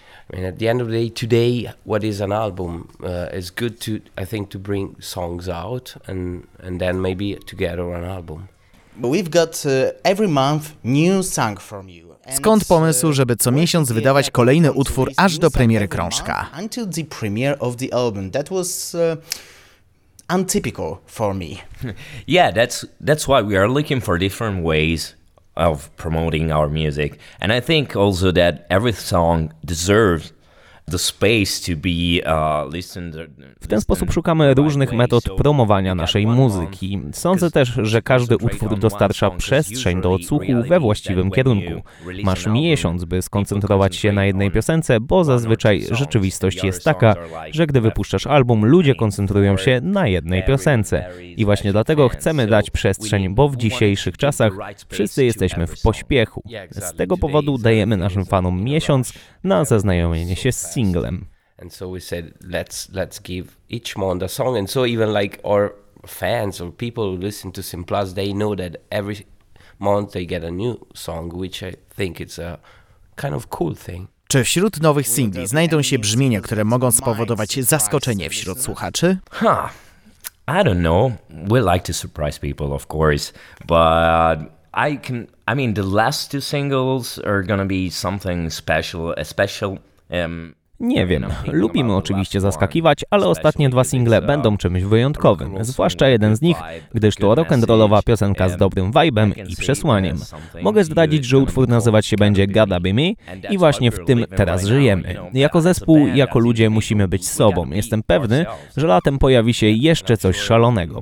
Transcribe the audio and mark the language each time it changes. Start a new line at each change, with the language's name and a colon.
English: I mean, at the end of the day, today, what is an album? It's good to, I think, to bring songs out and then maybe together an album. But we've got every month new song from you.
Polish: Skąd pomysł, żeby co miesiąc wydawać kolejny utwór aż do premiery krążka?
English: Until the premiere of the album. That was untypical for me. Yeah, that's why we are looking for different ways of promoting our music, and I think also that every song deserves the space to be listened.
Polish: W ten sposób szukamy różnych metod promowania naszej muzyki. Sądzę też, że każdy utwór dostarcza przestrzeń do odsłuchu we właściwym kierunku. Masz miesiąc, by skoncentrować się na jednej piosence, bo zazwyczaj rzeczywistość jest taka, że gdy wypuszczasz album, ludzie koncentrują się na jednej piosence. I właśnie dlatego chcemy dać przestrzeń, bo w dzisiejszych czasach wszyscy jesteśmy w pośpiechu. Z tego powodu dajemy naszym fanom miesiąc na zaznajomienie się z singlem.
English: And so we said let's give each month a song, and so even like our fans or people who listen to Simplus, they know that every month they get a new song, which I think it's a kind of cool thing.
Polish: Czy wśród nowych singli znajdą się brzmienia, które mogą spowodować zaskoczenie wśród słuchaczy?
English: I don't know. We like to surprise people, of course, but I mean the last two singles are gonna be something special,
Polish: Nie wiem. Lubimy oczywiście zaskakiwać, ale ostatnie dwa single będą czymś wyjątkowym, zwłaszcza jeden z nich, gdyż to rock'n'rollowa piosenka z dobrym vibe'em i przesłaniem. Mogę zdradzić, że utwór nazywać się będzie Gotta Be Me i właśnie w tym teraz żyjemy. Jako zespół, jako ludzie musimy być sobą. Jestem pewny, że latem pojawi się jeszcze coś szalonego.